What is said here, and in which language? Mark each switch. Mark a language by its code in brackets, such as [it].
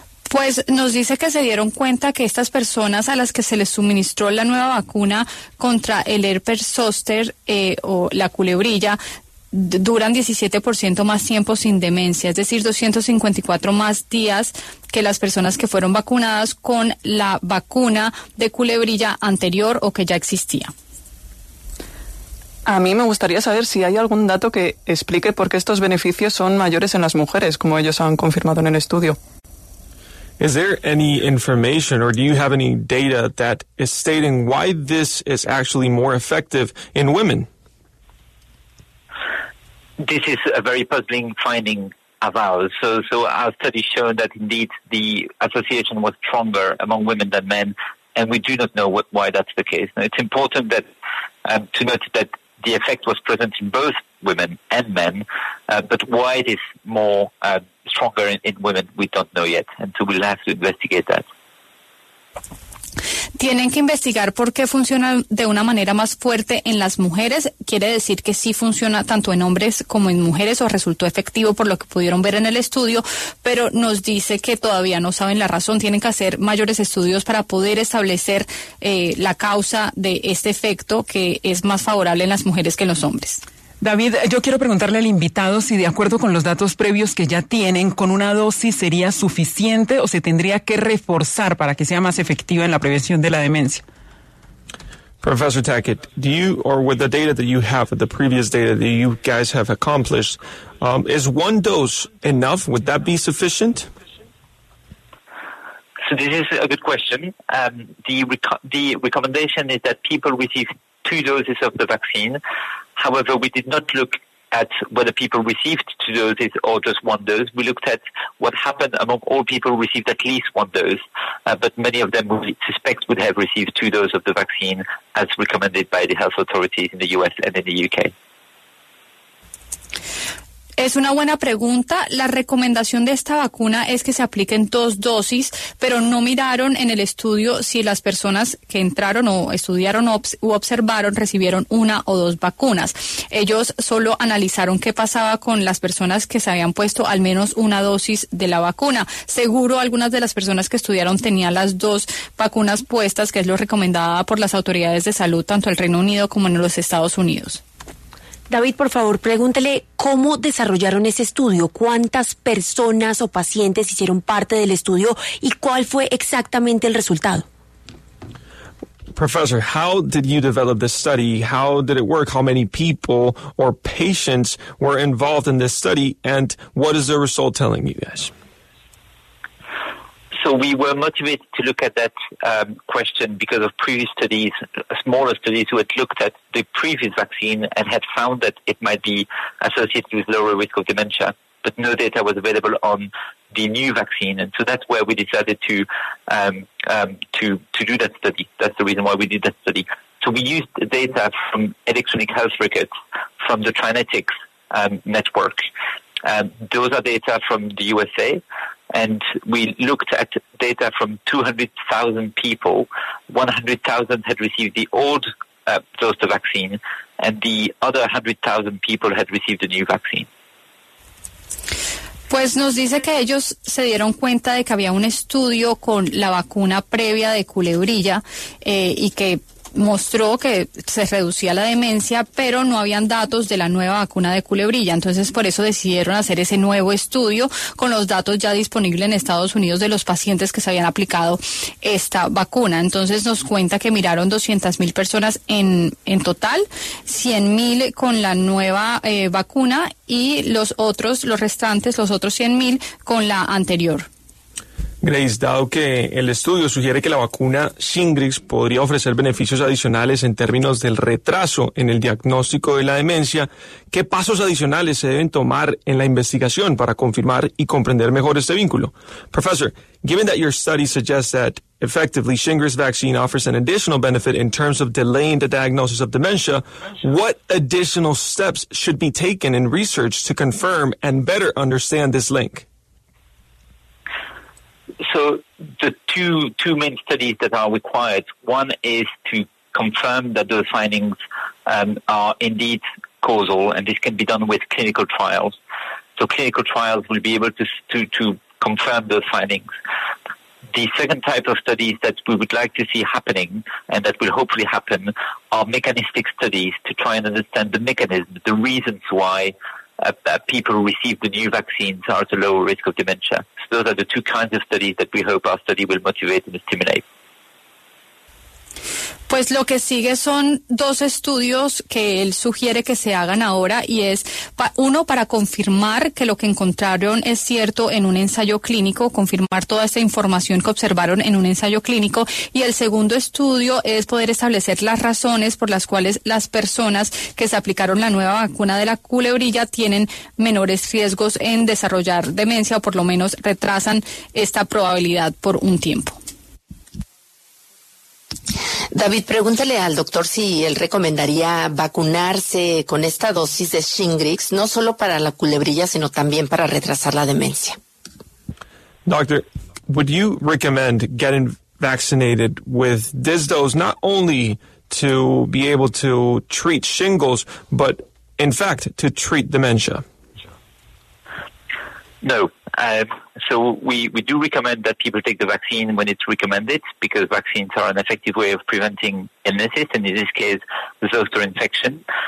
[es] Pues nos dice que se dieron cuenta que estas personas a las que se les suministró la nueva vacuna contra el herpes zóster o la culebrilla duran 17% más tiempo sin demencia, es decir, 254 más días que las personas que fueron vacunadas con la vacuna de culebrilla anterior o que ya existía. A mí me gustaría saber si hay algún dato que explique por qué estos beneficios son mayores en las mujeres, como ellos han confirmado en el estudio. [en] Is there any information or do you have any data that is stating why this is actually more effective in women? This is a very puzzling finding of ours. So our study showed that indeed the association was stronger among women than men, and we do not know why that's the case. Now, it's important that to note that the effect was present in both women and men, but why it is more stronger in women, we don't know yet, and so we'll have to investigate that. Tienen que investigar por qué funciona de una manera más fuerte en las mujeres. Quiere decir que sí funciona tanto en hombres como en mujeres o resultó efectivo por lo que pudieron ver en el estudio, pero nos dice que todavía no saben la razón. Tienen que hacer mayores estudios para poder establecer la causa de este efecto que es más favorable en las mujeres que en los hombres. David, yo quiero preguntarle al invitado si de acuerdo con los datos previos que ya tienen, con una dosis sería suficiente o se tendría que reforzar para que sea más efectiva en la prevención de la demencia. Professor Tackett, do you, or with the data that you have, the previous data that you guys have accomplished, is one dose enough? Would that be sufficient? So this is a good question. The recommendation is that people receive two doses of the vaccine. However, we did not look at whether people received two doses or just one dose. We looked at what happened among all people who received at least one dose, but many of them we suspect would have received two doses of the vaccine as recommended by the health authorities in the US and in the UK. [es] Es una buena pregunta. La recomendación de esta vacuna es que se apliquen dos dosis, pero no miraron en el estudio si las personas que entraron o estudiaron o observaron recibieron una o dos vacunas. Ellos solo analizaron qué pasaba con las personas que se habían puesto al menos una dosis de la vacuna. Seguro algunas de las personas que estudiaron tenían las dos vacunas puestas, que es lo recomendada por las autoridades de salud, tanto el Reino Unido como en los Estados Unidos. David, por favor, pregúntele cómo desarrollaron ese estudio, cuántas personas o pacientes hicieron parte del estudio y cuál fue exactamente el resultado. [en] Professor, how did you develop this study? How did it work? How many people or patients were involved in this study? And what is the result telling you guys? So we were motivated to look at that question because of previous studies, smaller studies who had looked at the previous vaccine and had found that it might be associated with lower risk of dementia, but no data was available on the new vaccine. And so that's where we decided to do that study. That's the reason why we did that study. So we used data from electronic health records from the Trinetics network. Those are data from the USA. And we looked at data from 200,000 people. 100,000 had received the old dose of vaccine, and the other 100,000 people had received the new vaccine. [es] Pues nos dice que ellos se dieron cuenta de que había un estudio con la vacuna previa de culebrilla y que mostró que se reducía la demencia, pero no habían datos de la nueva vacuna de culebrilla. Entonces, por eso decidieron hacer ese nuevo estudio con los datos ya disponibles en Estados Unidos de los pacientes que se habían aplicado esta vacuna. Entonces, nos cuenta que miraron 200,000 personas en total, 100,000 con la nueva vacuna y los otros 100,000 con la anterior. Grace, dado que el estudio sugiere que la vacuna Shingrix podría ofrecer beneficios adicionales en términos del retraso en el diagnóstico de la demencia, ¿qué pasos adicionales se deben tomar en la investigación para confirmar y comprender mejor este vínculo? [en] Professor, given that your study suggests that effectively Shingrix vaccine offers an additional benefit in terms of delaying the diagnosis of dementia, what additional steps should be taken in research to confirm and better understand this link? So the two main studies that are required, one is to confirm that those findings are indeed causal, and this can be done with clinical trials. So clinical trials will be able to confirm those findings. The second type of studies that we would like to see happening and that will hopefully happen are mechanistic studies to try and understand the mechanism, the reasons why people who receive the new vaccines are at a lower risk of dementia. So those are the two kinds of studies that we hope our study will motivate and stimulate. [es] Pues lo que sigue son dos estudios que él sugiere que se hagan ahora y es uno para confirmar que lo que encontraron es cierto en un ensayo clínico, confirmar toda esta información que observaron en un ensayo clínico, y el segundo estudio es poder establecer las razones por las cuales las personas que se aplicaron la nueva vacuna de la culebrilla tienen menores riesgos en desarrollar demencia o por lo menos retrasan esta probabilidad por un tiempo. David, pregúntale al doctor si él recomendaría vacunarse con esta dosis de Shingrix, no solo para la culebrilla, sino también para retrasar la demencia. [en] Doctor, would you recommend getting vaccinated with this dose, not only to be able to treat shingles, but in fact to treat dementia? No. So we do recommend that people take the vaccine when it's recommended, because vaccines are an effective way of preventing illnesses, and in this case, zoster infection.